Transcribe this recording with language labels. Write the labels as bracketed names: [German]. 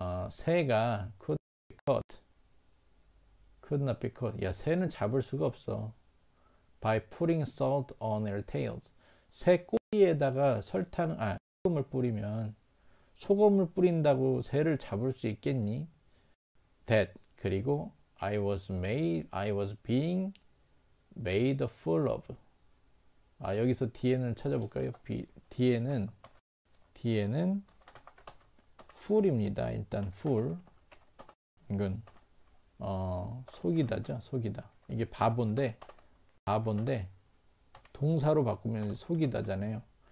[Korean] 새가 [English] could not be caught. [Korean] 야, 새는 잡을 수가 없어. [English] By putting salt on their tails. [Korean] 새 꼬리에다가 소금을 뿌리면 소금을 뿌린다고 새를 잡을 수 있겠니? [English] That [Korean] 그리고 [English] I was being made a fool of. [Korean] 아, 여기서 뒤에는 찾아볼까요? 뒤에는 [English] fool [Korean] 입니다. 일단 fool 이건 속이다죠. 속이다. 이게 바본데 동사로 바꾸면 속이다잖아요.